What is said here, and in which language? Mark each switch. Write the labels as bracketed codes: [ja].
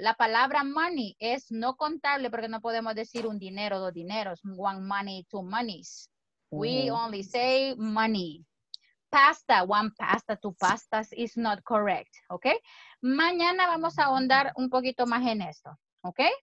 [es] La palabra money es no contable porque no podemos decir un dinero, dos dineros. [en] One money, two monies. We only say money. Pasta, one pasta, two pastas is not correct, okay? [es] Mañana vamos a ahondar un poquito más en esto, okay?